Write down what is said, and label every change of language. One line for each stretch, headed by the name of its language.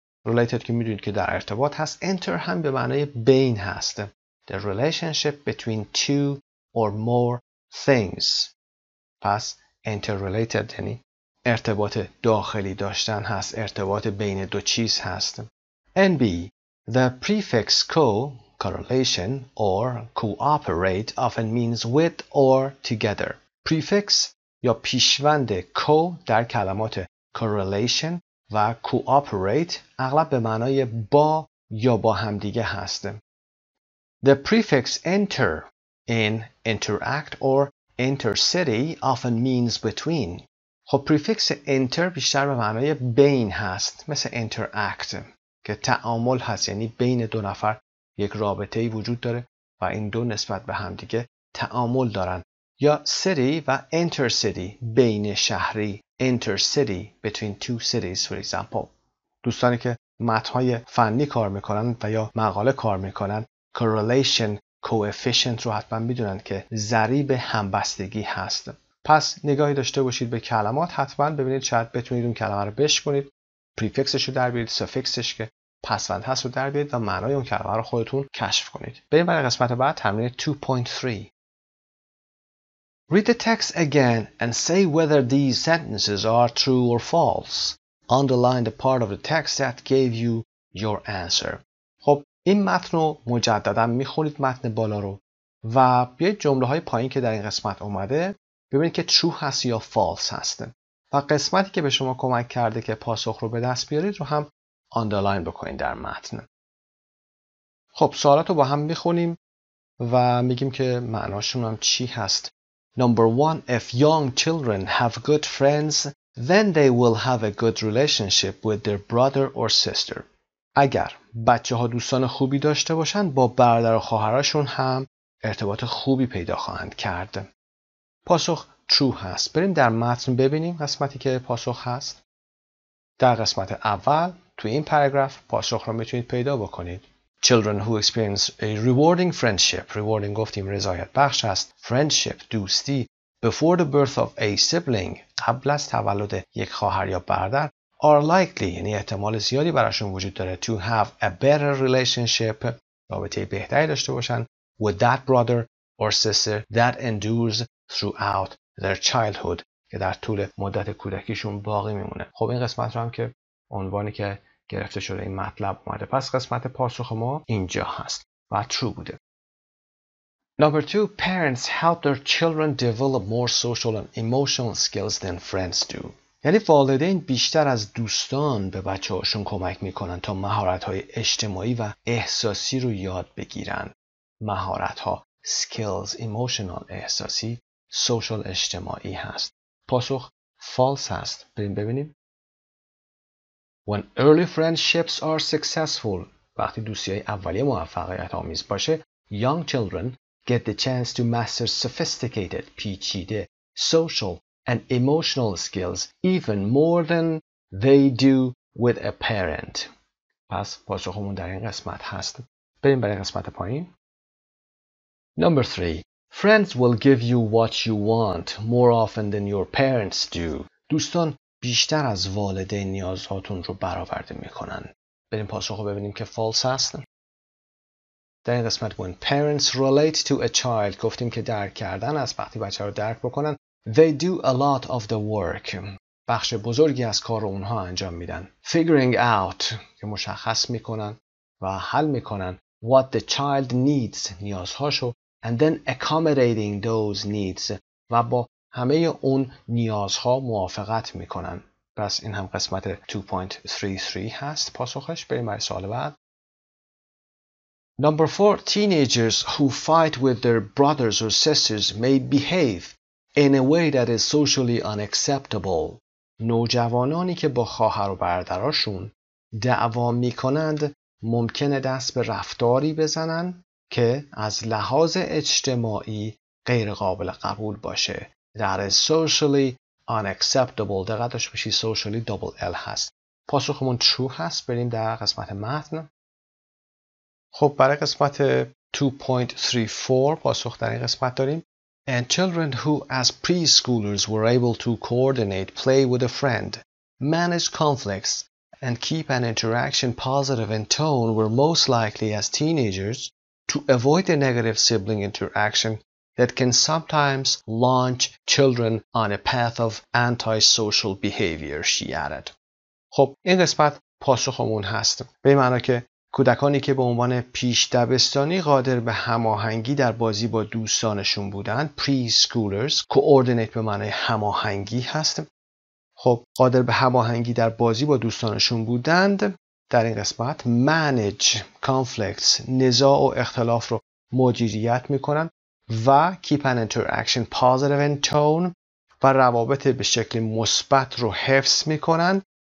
Persian: Related که میدونید که در ارتباط هست.
English: Enter
Persian: هم به معنی بین هست.
English: The relationship between two or more things.
Persian: پس interrelated یعنی ارتباط داخلی داشتن هست. ارتباط بین دو چیز هست. NB.
English: The prefix co, correlation, or cooperate often means with or together.
Persian: Prefix یا پیشوند co در کلمات correlation و cooperate اغلب به معنای با یا با همدیگه هست.
English: The prefix enter in interact or enter city often means between.
Persian: خب prefix enter بیشتر به معنای بین هست، مثل interact که تعامل هست، یعنی بین دو نفر یک رابطه‌ای وجود داره و این دو نسبت به همدیگه تعامل دارن.
English: یا city و enter city،
Persian: بین شهری،
English: enter city between two cities for example.
Persian: دوستانی که متن‌های فنی کار میکنن و یا مقاله کار میکنن correlation coefficient رو حتما میدونن که ضریب همبستگی هست. پس نگاهی داشته باشید به کلمات، حتما ببینید شاید بتونید اون کلمه رو بشکنید، پریفیکسش رو در بیارید، سفیکسش که پسوند هست رو در بیارید و معنای اون کلمه رو خودتون کشف کنید. بریم برای قسمت بعد، تمرین 2.3.
English: Read the text again and say whether these sentences are true or false. Underline the part of the text that gave you your answer.
Persian: خب این متن رو مجددا میخونید، متن بالا رو، و بیاید جمله های پایین که در این قسمت اومده ببینید که true هست یا false هست. و قسمتی که به شما کمک کرده که پاسخ رو به دست بیارید رو هم underline بکنید در متن. خب سوالات رو با هم میخونیم و میگیم که معناشون هم چی هست.
English: Number one, if young children have good friends, then they will have a good relationship with their brother or sister.
Persian: اگر بچه ها دوستان خوبی داشته باشند، با برادر و خواهرشون هم ارتباط خوبی پیدا خواهند کرد. پاسخ true هست. بریم در متن ببینیم قسمتی که پاسخ هست. در قسمت اول توی این پاراگراف پاسخ رو میتونید پیدا بکنید.
English: Children who experience a rewarding friendship, rewarding
Persian: گفتیم رضایت بخش است.
English: Friendship, دوستی. Before the birth of a sibling,
Persian: قبل از تولد یک خواهر یا برادر.
English: Are likely,
Persian: یعنی احتمال زیادی براشون وجود داره.
English: To have a better relationship,
Persian: رابطه بهتری داشته باشن.
English: With that brother or sister that endures throughout their childhood,
Persian: که در طول مدت کودکیشون باقی میمونه. خب این قسمت رو هم که عنوانی که گرفته شده این مطلب اومده، پس قسمت پاسخ ما اینجا هست و true بوده.
English: Number two, parents help their children develop more social and emotional skills than friends do.
Persian: یعنی والدین بیشتر از دوستان به بچه هاشون کمک میکنن تا مهارت‌های اجتماعی و احساسی رو یاد بگیرن. مهارت‌ها skills, emotional, احساسی، social, اجتماعی هست. پاسخ false هست. بریم ببینیم.
English: When early friendships are successful,
Persian: وقتی دوستی‌های اولیه موفقیت‌آمیز باشه،
English: young children get the chance to master sophisticated, پیچیده, social and emotional skills even more than they do with a parent.
Persian: پس پاسخمون در این قسمت هست. بریم برای قسمت پایین.
English: Number 3. Friends will give you what you want more often than your parents do.
Persian: دوستان بیشتر از والدین نیازهاتون رو برآورده میکنن. بریم پاسخو ببینیم که فالس هست. در این قسمت
English: when parents relate to a child
Persian: گفتیم که درک کردن از وقتی بچه رو درک بکنن.
English: They do a lot of the work.
Persian: بخش بزرگی از کار رو اونها انجام میدن.
English: Figuring out
Persian: که مشخص میکنن و حل میکنن.
English: What the child needs نیازهاشو. And then accommodating those needs
Persian: و با همه اون نیازها موافقت میکنن. پس این هم قسمت 2.33 هست پاسخش. بریم برای سوال بعد.
English: Number 4. Teenagers who fight with their brothers or sisters may behave in a way that is socially unacceptable.
Persian: نوجوانانی که با خواهر و برادرشون دعوا میکنند ممکنه دست به رفتاری بزنن که از لحاظ اجتماعی غیر قابل قبول باشه.
English: That is socially unacceptable.
Persian: دقیقا داشته باشی socially double L هست. پاسخمون true هست. بریم در قسمت متن. خب برای قسمت 2.34 پاسخ در این قسمت داریم.
English: And children who, as preschoolers, were able to coordinate play with a friend, manage conflicts, and keep an interaction positive in tone were most likely, as teenagers, to avoid the negative sibling interaction that can sometimes launch children on a path of antisocial behavior, she added.
Persian: خب این قسمت پاسخمون هست. به این معنی که کودکانی که به عنوان پیش دبستانی قادر به هماهنگی در بازی با دوستانشون بودن preschoolers coordinate به معنی هماهنگی هست. خب قادر به هماهنگی در بازی با دوستانشون بودند در این قسمت manage conflicts نزاع و اختلاف رو مدیریت میکنن و
English: keep an interaction positive in tone
Persian: و روابط به شکل مثبت رو حفظ میکنن.